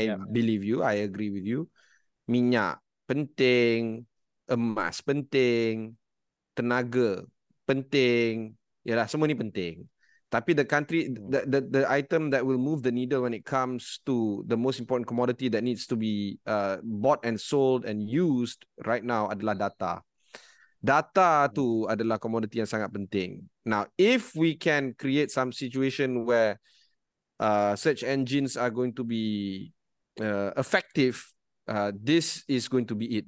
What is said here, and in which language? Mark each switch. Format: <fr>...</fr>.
<en>Believe you, I agree with you.</en> <ms>Minyak penting, emas penting, tenaga penting, yalah semua ni penting.</ms> <en>Tapi the country, the item that will move the needle when it comes to the most important commodity that needs to be bought and sold and used right now adalah data.</en> <ms>Data tu adalah commodity yang sangat penting.</ms> <en>Now, if we can create some situation where search engines are going to be effective, this is going to be it.</en>